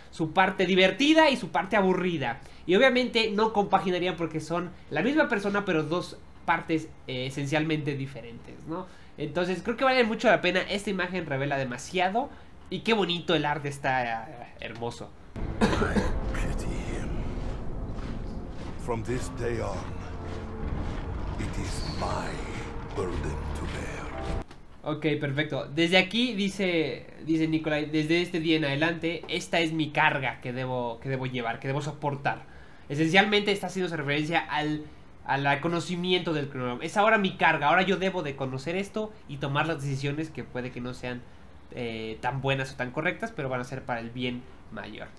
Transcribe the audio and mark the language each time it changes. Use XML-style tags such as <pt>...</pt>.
<es>Su parte divertida y su parte aburrida. Y obviamente no compaginarían porque son la misma persona, pero dos partes esencialmente diferentes, ¿no? Entonces creo que vale mucho la pena. Esta imagen revela demasiado. Y qué bonito el arte, está hermoso.</es> <en>I pity him. From this day on, it is my burden to bear.</en> <es>Ok, perfecto. Desde aquí dice Nikolai, desde este día en adelante, esta es mi carga que debo llevar, que debo soportar. Esencialmente está haciendo esa referencia al conocimiento del cronograma. Es ahora mi carga, ahora yo debo de conocer esto y tomar las decisiones que puede que no sean tan buenas o tan correctas, pero van a ser para el bien mayor.</es>